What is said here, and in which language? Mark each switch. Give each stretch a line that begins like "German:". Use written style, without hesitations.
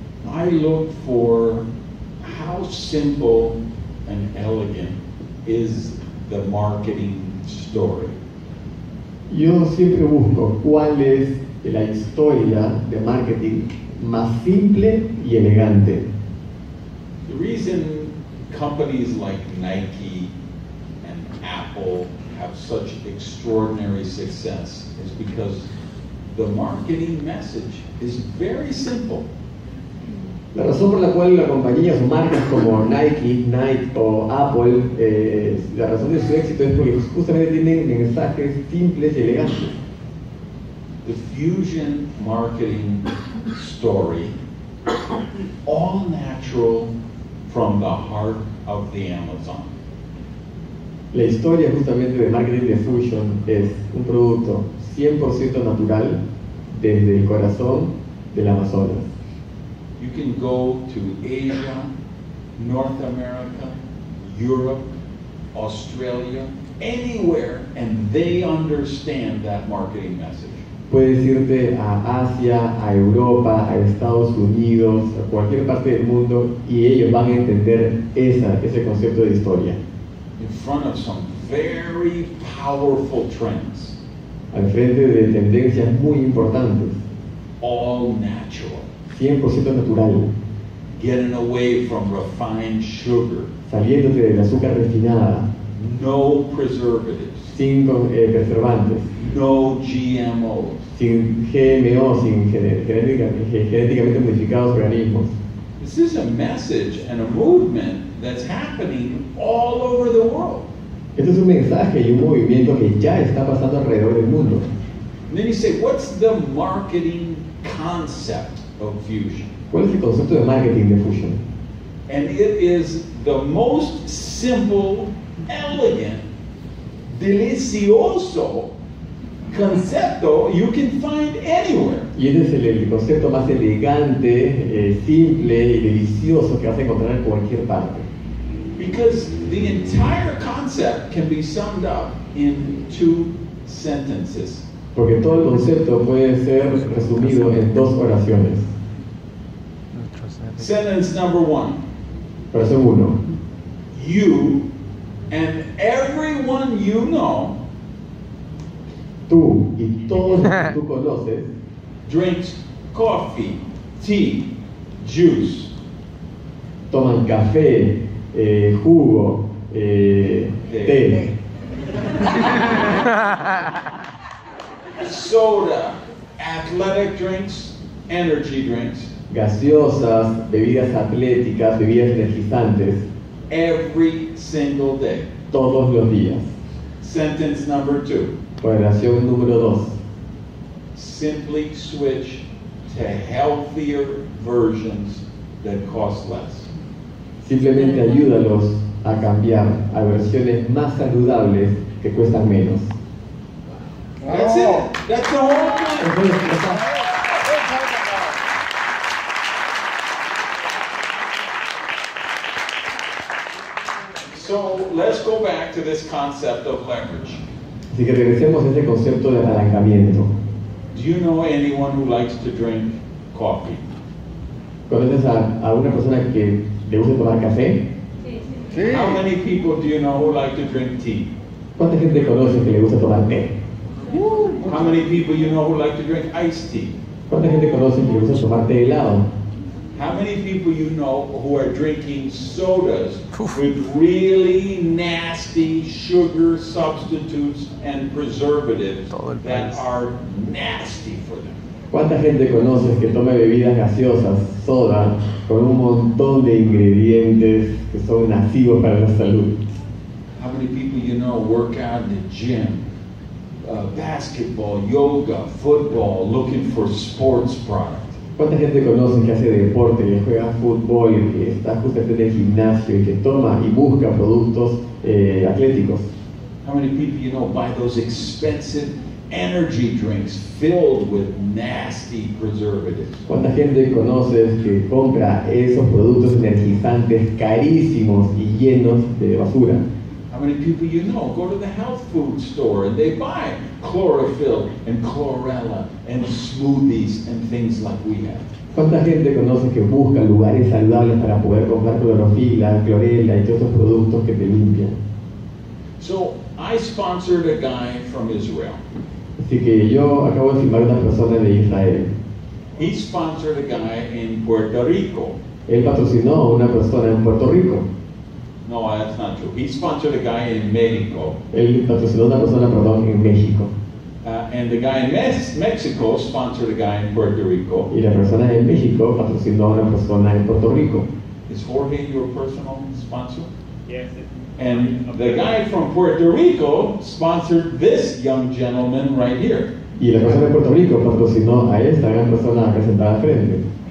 English: I look for how simple and elegant is the marketing story.
Spanish: Yo siempre busco cuál es la historia de marketing más simple y elegante.
English: The reason companies like Nike and Apple have such extraordinary success is because the marketing message is very simple.
Spanish: La razón por la cual las compañías o marcas como Nike o Apple, la razón de su éxito es porque justamente tienen mensajes simples y elegantes.
English: The fusion marketing story, all natural from the heart of the Amazon.
Spanish: La historia justamente de marketing de Fusion es un producto 100% natural desde el corazón del Amazonas.
English: You can go to Asia, North America, Europe, Australia, anywhere, and they understand that marketing message.
Spanish: Puedes irte a Asia, a Europa, a Estados Unidos, a cualquier parte del mundo, y ellos van a entender ese concepto de historia.
English: In front of some very powerful trends.
Spanish: Al frente de tendencias muy importantes.
English: All natural.
Spanish: 100% natural.
English: Getting away from refined sugar.
Spanish: Saliéndote del azúcar refinada.
English: No preservatives.
Spanish: Sin preservantes.
English: No GMOs.
Spanish: Sin GMOs, sin genéticamente modificados organismos.
English: This is a message and a movement that's happening all over the world.
Spanish: Esto es un mensaje y un movimiento que ya está pasando alrededor del mundo.
English: And then you say, what's the marketing concept of fusion?
Spanish: ¿Cuál es el concepto de marketing de fusion?
English: And it is the most simple, elegant,
Spanish: delicioso concepto
English: you can find anywhere.
Spanish: Y ese es el concepto más elegante, simple y delicioso que vas a encontrar en cualquier parte.
English: Because the entire concept can be summed up in two sentences.
Spanish: Porque todo el concepto puede ser resumido en dos oraciones.
English: Sentence number one.
Spanish: Oración uno.
English: You and everyone you know.
Spanish: Tú y todos los que tú conoces.
English: Drinks coffee, tea, juice.
Spanish: Toman café, jugo, té.
English: Soda, athletic drinks, energy drinks.
Spanish: Gaseosas, bebidas atléticas, bebidas energizantes.
English: Every single day.
Spanish: Todos los días.
English: Sentence number two.
Spanish: Oración número dos.
English: Simply switch to healthier versions that cost less.
Spanish: Simplemente ayúdalos a cambiar a versiones más saludables que cuestan menos.
English: That's it. That's the whole thing. So let's go back to this concept of leverage.
Spanish: Así que regresemos a ese concepto de apalancamiento.
English: Do you know anyone who likes to drink coffee?
Spanish: ¿Conoces a una persona que le gusta tomar café? Sí. Sí.
English: How many people do you know who like to drink tea?
Spanish: ¿Cuánta gente conoce que le gusta tomar té?
English: How many people you know who like to drink iced tea?
Spanish: ¿Cuánta gente conoce que le gusta tomar té helado?
English: How many people you know who are drinking sodas with really nasty sugar substitutes and preservatives that are nasty for them?
Spanish: ¿Cuánta gente conoces que toma bebidas gaseosas, soda, con un montón de ingredientes que son nocivos para la salud?
English: How many people you know work out in the gym, basketball, yoga, football, looking for sports products?
Spanish: ¿Cuánta gente conoce que hace deporte, que juega fútbol, que está justamente en el gimnasio y que toma y busca productos atléticos?
English: How many people you know buy those expensive energy drinks filled with nasty preservatives?
Spanish: ¿Cuánta gente conoce que compra esos productos energizantes carísimos y llenos de basura?
English: How many people you know go to the health food store and they buy chlorophyll and chlorella and smoothies and things like we have?
Spanish: ¿Cuánta gente conoce que busca lugares saludables para poder comprar clorofila, clorela y otros productos que te limpian?
English: So I sponsored a guy from Israel.
Spanish: Así que yo acabo de firmar una persona de Israel.
English: He sponsored a guy in Puerto Rico.
Spanish: Él patrocinó a una persona en Puerto Rico.
English: No, that's not true. He sponsored a guy in Mexico.
Spanish: Él patrocinó una persona, perdón, en México.
English: And the guy in Mexico sponsored a guy in Puerto Rico.
Spanish: Y la persona en México patrocinó a una persona en Puerto Rico.
English: Is Jorge your personal sponsor? Yes. And the guy from Puerto Rico sponsored this young gentleman right here.
Spanish: Y la persona de Puerto Rico patrocinó a esta gran persona acá sentada al frente.